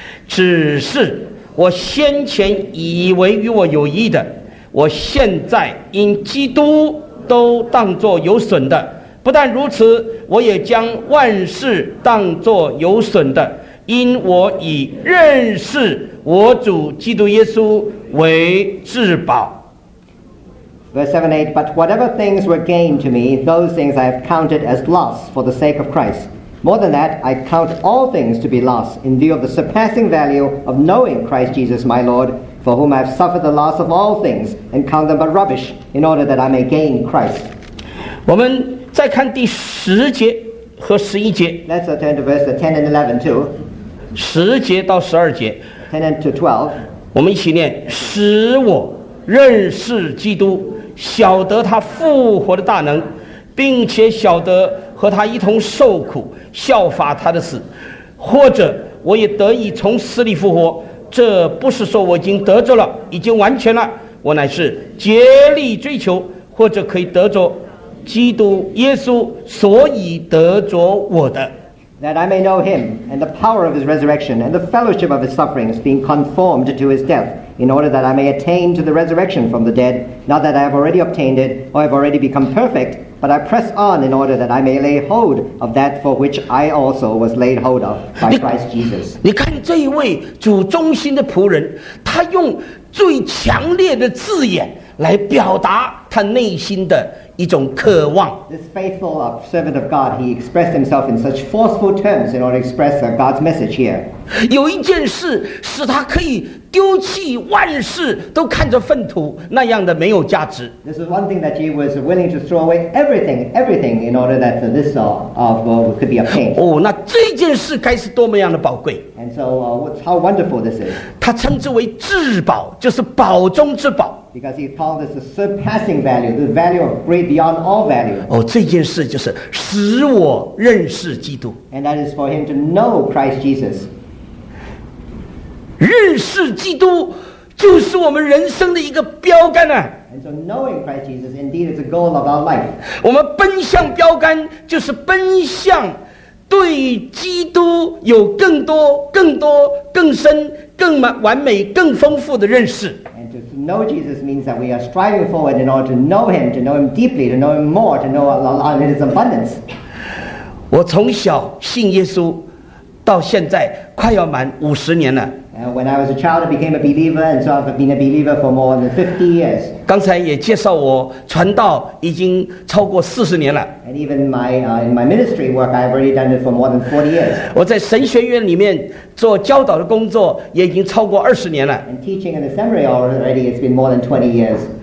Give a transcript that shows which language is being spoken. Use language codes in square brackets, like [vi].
[zh] 只是我先前以为与我有益的我现在因基督都当作有损的不但如此我也将万事当作有损的因我以认识我主基督耶稣为至宝 [en] Verse 7, 8, but whatever things were gained to me, those things I have counted as loss for the sake of Christ. More than that, I count all things to be loss in view of the surpassing value of knowing Christ Jesus my Lord, for whom I have suffered the loss of all things and count them but rubbish in order that I may gain Christ. [zh] 我们再看第十节和十一节。 [en] Let's turn to verse 10 and 11 too. [zh] 十节到十二节。 [en] 10 and to 12. [zh] 我们一起念使我认识基督晓得他复活的大能并且晓得和他一同受苦效法他的死或者我也得以从死里复活这不是说我已经得着了已经完全了我乃是竭力追求或者可以得着基督耶稣所以得着我的 [en] That I may know him and the power of his resurrection and the fellowship of his sufferings being conformed to his deathin order that I may attain to the resurrection from the dead, not that I have already obtained it, or have already become perfect, but I press on in order that I may lay hold of that for which I also was laid hold of by Christ Jesus. [zh] 你看这一位主忠心的仆人，他用最强烈的字眼来表达他他内心的一种渴望。 [en] This faithful servant of God, he expressed himself in such forceful terms in order to express God's message here. [zh] 有一件事使他可以丢弃万事，都看着粪土那样的没有价值。 [en] This is one thing that he was willing to throw away everything in order that this of could be obtained. [zh] 哦，那这件事该是多么样的宝贵 [en] ！And so, how wonderful this is. [zh] 他称之为至宝，就是宝中之宝。 [en] Because he called this a surpassing value, the value of great beyond all value. [zh] 哦，这件事就是使我认识基督。 [en] And that is for him to know Christ Jesus. [zh] 认识基督就是我们人生的一个标杆啊。 [en] And so knowing Christ Jesus indeed is a goal of our life. [zh] 我们奔向标杆就是奔向对基督有更多、更多、更深、更完美、更丰富的认识。 [en] Know Jesus means that we are striving forward in order to know Him, to know Him deeply, to know Him more, to know all His abundance. [zh] 我从小信耶稣到现在快要满五十年了。 [en] And when I was a child, I became a believer, and so I've been a believer for more than 50 years. [zh] 刚才也介绍我传道已经超过四十年了。 [en] And even in my ministry work, I've already done it for more than 40 years. [zh] 我在神学院里面做教导的工作也已经超过二十年了。 [en] And teaching in the seminary already, it's been more than 20 years.